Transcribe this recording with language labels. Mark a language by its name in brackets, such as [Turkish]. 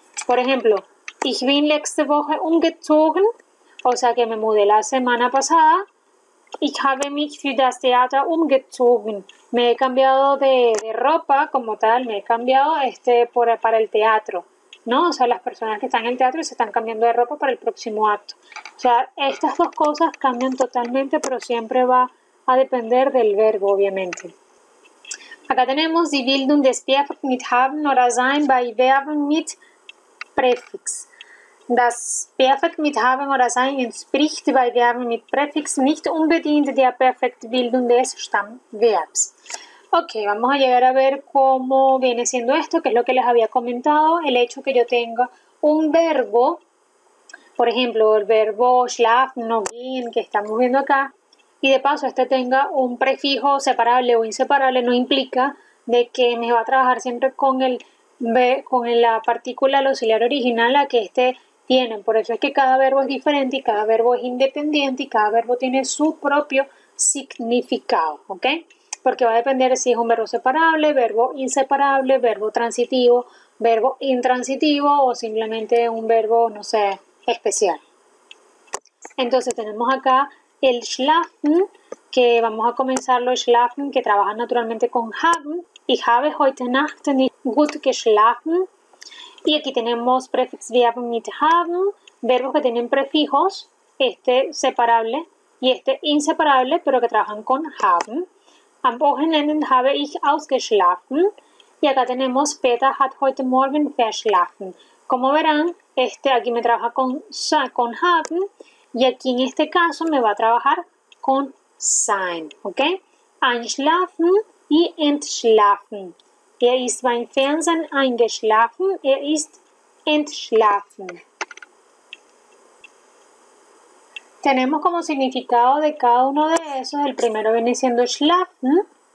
[Spanish] Por ejemplo, [German] ich bin letzte Woche umgezogen. [Spanish] O sea que me mudé la semana pasada. [German] Ich habe mich für das Theater umgezogen. [Spanish] Me he cambiado de ropa como tal, me he cambiado para el teatro, ¿no? O sea, las personas que están en el teatro se están cambiando de ropa para el próximo acto. O sea, estas dos cosas cambian totalmente, pero siempre va a depender del verbo, obviamente. Acá tenemos [German] die Bildung des Verbs mit haben oder sein bei Verben mit Präfix. Das Perfekt mit haben oder sein entspricht bei Verben mit Präfix nicht unbedingt der Perfektbildung des Stammverbs. [Spanish] Ok, vamos a llegar a ver cómo viene siendo esto, que es lo que les había comentado. El hecho que yo tenga un verbo, por ejemplo, el verbo schlafen, no gehen, que estamos viendo acá, y de paso este tenga un prefijo separable o inseparable, no implica de que me va a trabajar siempre con la partícula, el auxiliar original, a que este tienen. Por eso es que cada verbo es diferente y cada verbo es independiente y cada verbo tiene su propio significado, ¿ok? Porque va a depender si es un verbo separable, verbo inseparable, verbo transitivo, verbo intransitivo o simplemente un verbo, no sé, especial. Entonces tenemos acá el schlafen, que vamos a comenzarlo, schlafen, que trabaja naturalmente con haben. [German] Ich habe heute Nacht nicht gut geschlafen. [Spanish] Y aquí tenemos [German] prefix verb mit haben, [Spanish] verbos que tienen prefijos, este separable y este inseparable, pero que trabajan con haben. [German] Am Wochenende habe ich ausgeschlafen. [Spanish] Y acá tenemos [German] Peter hat heute Morgen verschlafen. [Spanish] Como verán, aquí me trabaja con haben y aquí en este caso me va a trabajar con sein. ¿Ok? [German] Einschlafen y entschlafen. Er ist beim Fernsehen eingeschlafen, er ist entschlafen. [Spanish] Tenemos como significado de cada uno de esos, el primero viene siendo schlafen.